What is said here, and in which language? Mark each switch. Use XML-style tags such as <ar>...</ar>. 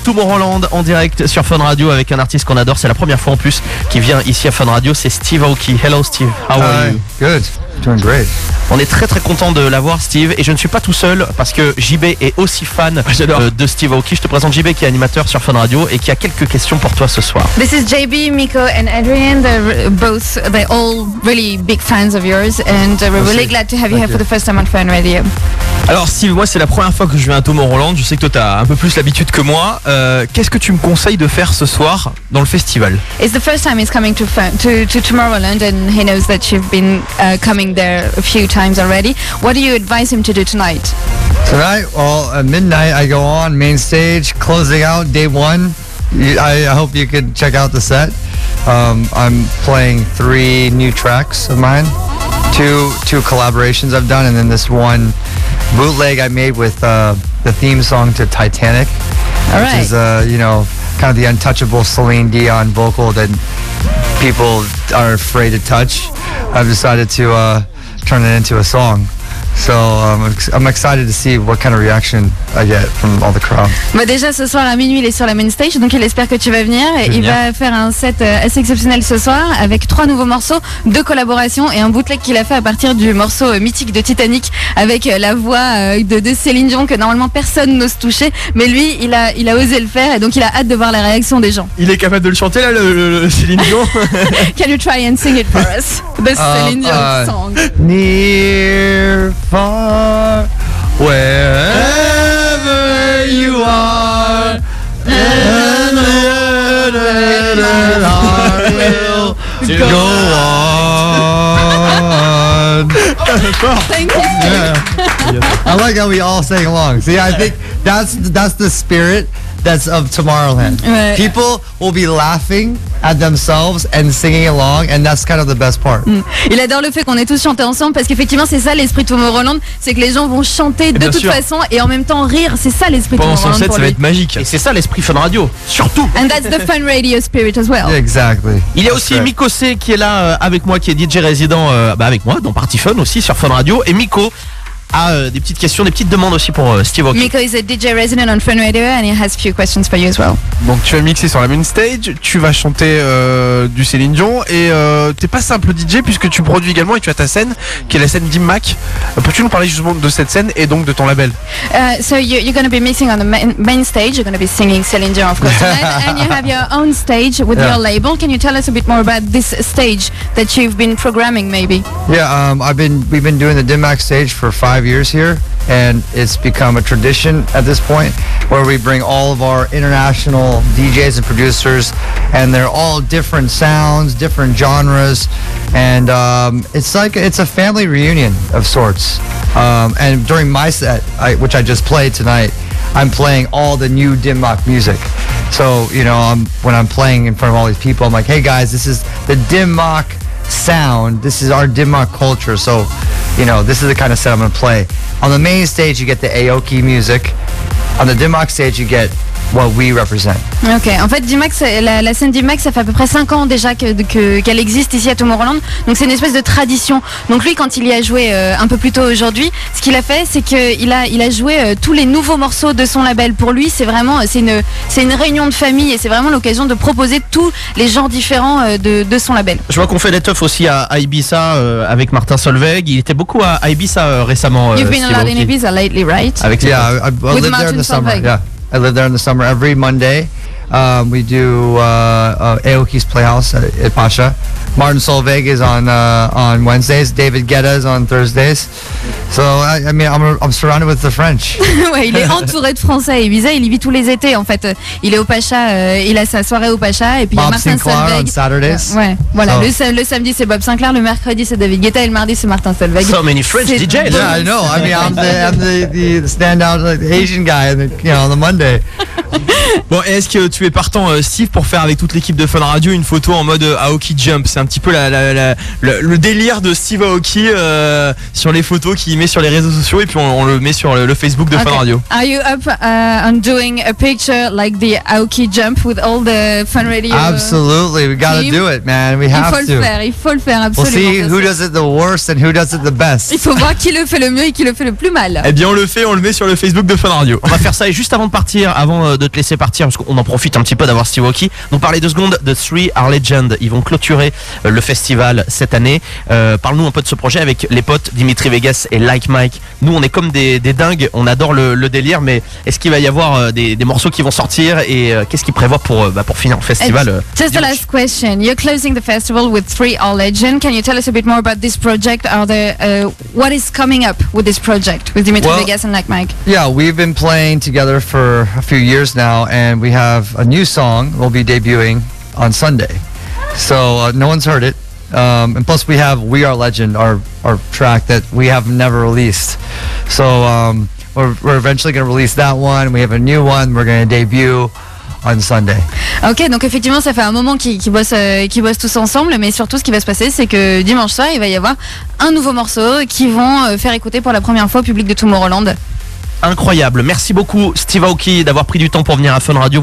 <fr>Tomorrowland en direct sur Fun Radio avec un artiste qu'on adore. C'est la première fois en plus qu'il vient ici à Fun Radio. C'est Steve Aoki.</fr> <en>Hello Steve. How are you? Good. Doing great.</en> <fr>On est très très content de l'avoir, Steve. Et je ne suis pas tout seul parce que JB est aussi fan de Steve Aoki. Je te présente JB, qui est animateur sur Fun Radio et qui a quelques questions pour toi ce soir.</fr> <en>This is JB, Miko and Adrian. They're all really big fans of yours, and we're really glad to have you here for the first time on Fun Radio.</en> <fr>Alors Steve, moi c'est la première fois que je viens à Tomorrowland. Je sais que toi t'as un peu plus l'habitude que moi. Qu'est-ce que tu me conseilles de faire ce soir dans le festival?</fr> <en>It's the first time he's coming to Tomorrowland, and he knows that you've been coming there a few times already. What do you advise him to do tonight? Tonight, well, at midnight I go on main stage, closing out day one. I hope you can check out the set. I'm playing 3 new tracks of mine, two collaborations I've done, and then this one bootleg I made with the theme song to Titanic. All which right. is you know, kind of the untouchable Celine Dion vocal that people are afraid to touch. I've decided to turn it into a song. So I'm excited to see what kind of reaction I get from all the crowd.</en> <fr>Bah déjà ce soir à minuit il est sur la main stage, donc il espère que tu vas venir. Il va faire un set assez exceptionnel ce soir avec 3 nouveaux morceaux, 2 collaborations et un bootleg qu'il a fait à partir du morceau mythique de Titanic avec la voix de Céline Dion que normalement personne n'ose toucher, mais lui il a osé le faire et donc il a hâte de voir la réaction des gens. Il est capable de le chanter là le Céline Dion.</fr> <en>Can you try and sing it for us? The Céline Dion song. Near far, wherever you are, and I will go on. Thank you. Yeah. I like how we all sang along. See, I think that's the spirit that's of Tomorrowland. Right. People will be laughing at themselves and singing along, and that's kind of the best part.</en> <fr>Il adore le fait qu'on ait tous chanté ensemble parce qu'effectivement c'est ça l'esprit de Tomorrowland, c'est que les gens vont chanter de toute façon et en même temps rire. C'est ça l'esprit de Tomorrowland. Pendant son set, ça va être magique. Et c'est ça l'esprit Fun Radio, surtout.</fr> <en>And that's the Fun Radio spirit as well. Exactly.</en> <fr>Il y a aussi Miko C qui est là avec moi, qui est DJ résident avec moi dans Party Fun aussi sur Fun Radio. Et Miko a des petites questions, des petites demandes aussi pour Steve Aoki.</fr> <en>Miko is a DJ resident on Fun Radio and he has a few questions for you as well.</en> <fr>Donc tu vas mixer sur la main stage, tu vas chanter du Céline Dion et t'es pas simple DJ puisque tu produis également et tu as ta scène qui est la scène d'Immac. Peux-tu nous parler justement de cette scène et donc de ton label?</fr> <en>So you're going to be mixing on the main stage, you're going to be singing Céline Dion of course and you have your own stage with your label. Can you tell us a bit more about this stage that you've been programming maybe? Yeah, we've been doing the Immac stage for 5 years here, and it's become a tradition at this point where we bring all of our international DJs and producers, and they're all different sounds, different genres, and it's like it's a family reunion of sorts. And during my set, which I just played tonight, I'm playing all the new Dimmock music. So you know, when I'm playing in front of all these people, I'm like, hey guys, this is the Dimmock sound, this is our Dimmock culture, so you know, this is the kind of set I'm gonna play. On the main stage you get the Aoki music, on the Dimmock stage you get what we represent.</en> <fr>Ok, en fait Dimmock, la scène Dimmock, ça fait à peu près 5 ans déjà qu'elle existe ici à Tomorrowland, donc c'est une espèce de tradition. Donc lui, quand il y a joué un peu plus tôt aujourd'hui, ce qu'il a fait, c'est qu'il a joué tous les nouveaux morceaux de son label. Pour lui, c'est vraiment c'est une réunion de famille et c'est vraiment l'occasion de proposer tous les genres différents de son label. Je vois qu'on fait des teufs aussi à Ibiza avec Martin Solveig. Il était beaucoup à Ibiza récemment.</fr> <en>You've been a lot in Ibiza lately, right? Avec I lived there in the summer. Solveig. Yeah. I live there in the summer. Every Monday, we do Aoki's Playhouse at Pasha. Martin Solveig is on Wednesdays. David Guetta is on Thursdays. So I mean, I'm surrounded with the French.</en> <fr>Ouais, il est entouré de Français. Ibiza, il y vit tous les étés. En fait, il est au Pacha. Il a sa soirée au Pacha. Et puis Bob Martin Sinclair Solveig</fr> <en>on Saturdays.</en> <fr>Ouais. Voilà. So. Le samedi c'est Bob Sinclair. Le mercredi c'est David Guetta. Et le mardi c'est Martin Solveig.</fr> <en>So many French DJs. Yeah, I know. I mean, I'm the standout like, Asian guy. On the Monday.</en> <fr>Bon, est-ce que tu es partant, Steve, pour faire avec toute l'équipe de Fun Radio une photo en mode Aoki Jump? c'est un petit peu le délire de Steve Aoki sur les photos qu'il met sur les réseaux sociaux et puis on le met sur le Facebook de Fun Radio.</fr> <en>Are you up on doing a picture like the Aoki jump with all the Fun Radio? Absolutely, we gotta do it, man. We have to.</en> <fr>Il faut le faire, absolument.</fr> <en>We'll see who does it the worst and who does it the best.</en> <fr>Il faut voir qui le fait le mieux et qui le fait le plus mal. Eh bien, on le met sur le Facebook de Fun Radio. On va faire ça et juste avant de partir, avant de te laisser partir, parce qu'on en profite un petit peu d'avoir Steve Aoki, nous parler deux secondes de Three Are Legend. Ils vont clôturer le festival cette année. Parle-nous un peu de ce projet avec les potes Dimitri Vegas et Like Mike. Nous, on est comme des dingues, on adore le délire, mais est-ce qu'il va y avoir des morceaux qui vont sortir et qu'est-ce qu'ils prévoient pour finir le festival?</fr> <en>Just the last question. You're closing the festival with Three Are Legend. Can you tell us a bit more about this project? Are there what is coming up with this project with Dimitri Vegas and Like Mike? Yeah, we've been playing together for a few years now, and we have a new song we'll be debuting on Sunday. So no one's heard it. And plus we have We Are Legend, our track that we have never released. So we're eventually going to release that one. We have a new one we're going to debut on Sunday.</en> <fr>Ok, donc effectivement ça fait un moment qu'ils bossent tous ensemble, mais surtout ce qui va se passer c'est que dimanche soir il va y avoir un nouveau morceau qu'ils vont faire écouter pour la première fois au public de Tomorrowland. Incroyable, merci beaucoup Steve Aoki d'avoir pris du temps pour venir à Fun Radio.</fr>